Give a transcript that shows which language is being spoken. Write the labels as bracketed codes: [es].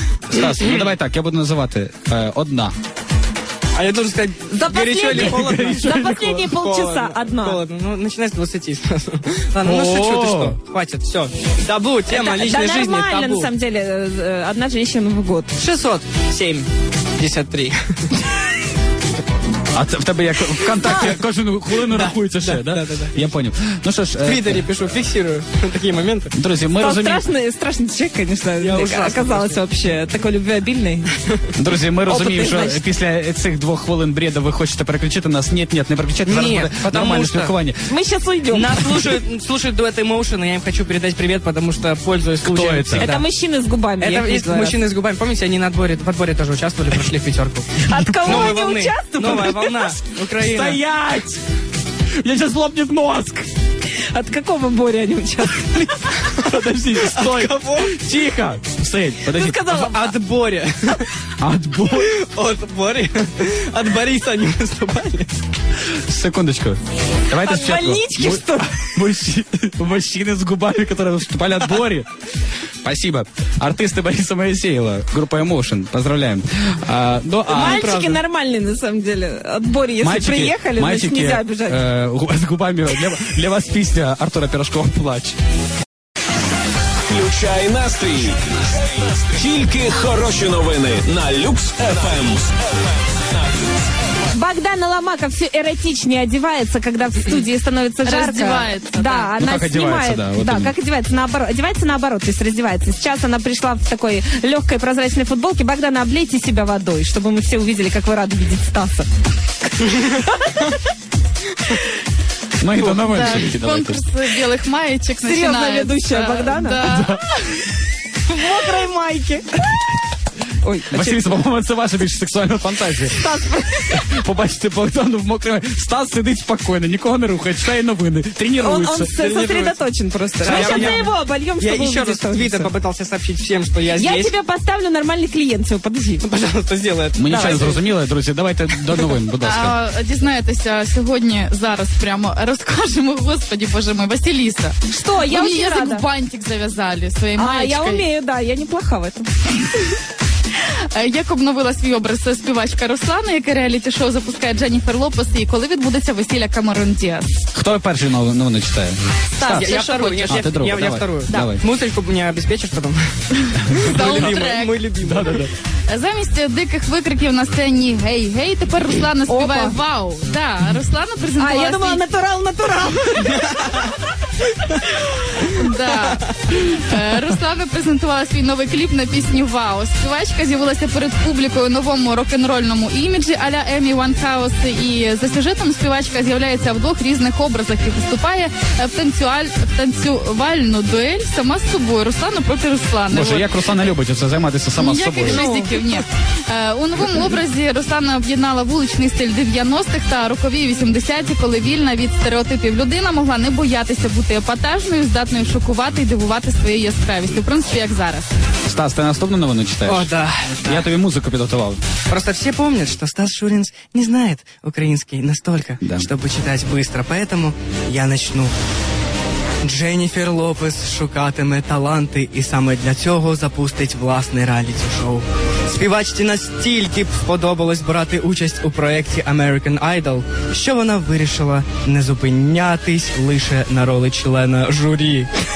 [ru] Стас, ну давай так, я буду называть одна. А я должен сказать, за горячо или холодно? За последние полчаса одна. Холодно, ну начинай с 20 сразу. Ладно, ну шучу, ты что? Хватит, все. Табу, тема личной жизни, табу. Да нормально, на самом деле, одна женщина в год. 673. [uk] А в тебе як ВКонтакте кожну хвилину рахується ще, да? Я понял. Ну що ж, в Твіттері пишу, фіксирую такі моменти. Друзі, ми розуміємо. Страшний чек, звісно, оказалося взагалі такий любвеобільний. Друзі, ми розуміємо, що після цих двох хвилин бреда ви хочете переключити нас. Ні, не переключайте, зараз буде нормальне спілкування. Ми зараз уйдемо. Нас слушають Duet Emotion, я їм хочу передати привіт, тому що пользуюсь случаєм. Хто це? Це мужчини з губами. Це мужчини з губами. Пам'ятаєте, вони на відборі теж участвували, пройшли в п'ятерку. От кого вони участвували? Волна, Украина. [ru] Стоять! меня сейчас лопнет мозг. От какого Бори они участвовали? Подожди, стой. От кого? Тихо, стой, подожди. Ты сказал, от Бори. От Бори? От Бори? От Бориса они выступали. Секундочку. Давай от больнички, что ли? Мужчины с губами, которые выступали от Бори. Спасибо. Артисты Бориса Моисеева, группа Emotion. Поздравляем. Мальчики нормальные, на самом деле. От Бори, если мальчики, приехали, мальчики, значит, нельзя бежать. С губами. Для вас песня Артура Пирожкова «Плач». [uk] Включай настрій. Тільки хороші новини на Люкс FM. [ru] Богдан Ломака все эротичнее одевается, когда в студии становится жарко. Раздевается. Да, да. Она, ну, как снимает. Одевается, да, вот да, как одевается? Наоборот. Одевается наоборот, то есть раздевается. Сейчас она пришла в такой легкой прозрачной футболке. Богдан, облейте себя водой, чтобы мы все увидели, как вы рады видеть Стаса. Мы это новые шутки. Конкурс белых маечек начинается. Серьезная ведущая Богдана? Да. В мокрой майке. Ой, Василиса, по-моему, это ваша меньше сексуальная фантазия. Стас, [uk] побачите Богдану в мокрой. [ru] Стас сидит спокойно, никого не рухает, читает новини, тренируется. Он сосредоточен просто. Мы сейчас на его обольем, чтобы увидеть. Я еще раз в Твиттер попытался сообщить всем, что я здесь. Я тебе поставлю нормальный клиент, все, подожди. Пожалуйста, сделай это. Мы ничего не зрозуміли, друзья, давайте до новин, [uk] будь ласка. Дізнаєтеся сьогодні, зараз прямо розкажемо, [ru] господи боже мой, [uk] Василиса. [ru] Что, я очень рада. Вы язык бантик завязали своей маечкой. А, я умею, да, я неплоха в этом. [uk] Як обновила свій образ співачка Руслана, яке реаліті-шоу запускає Дженніфер Лопес, і коли відбудеться весілля Камерон Діас? Хто перший новини читає? Стас, [ru] я вторую. Я вторую. Давай. [uk] Музичку мені обезпечиш потім. Ми любимо. Замість диких викриків на сцені «Гей-гей», тепер Руслана співає «Вау». Да, Руслана презентувала свій... А, я думала «Натурал-натурал». Да. Руслана презентувала свій новий кліп на пісню «Вау». Співачка з'явилася перед публікою в новому рок-н-рольному іміджі а-ля Amy Winehouse. І за сюжетом співачка з'являється в двох різних образах і виступає в танцювальну дуель сама з собою. Руслана проти Руслани. Боже, як Руслана любить це займатися сама з собою? Ніяких жизників, ні. У новому образі Руслана об'єднала вуличний стиль 90-х та рокові 80-ті, коли вільна від стереотипів людина могла не боятися бути епатажною, здатною шокувати і дивувати своєю яскравістю. В принципі, як зараз. Стас, ти наступну новину читаєш? О, да, да. Я тобі музику підготував. Просто всі пам'ятають, що Стас Шурінс не знає український настільки, да, щоб читати швидко. [ru] Поэтому я начну. [uk] Дженніфер Лопес шукатиме таланти і саме для цього запустить власне реаліті-шоу. Співачці настільки б сподобалось брати участь у проєкті American Idol, що вона вирішила не зупинятись лише на ролі члена журі.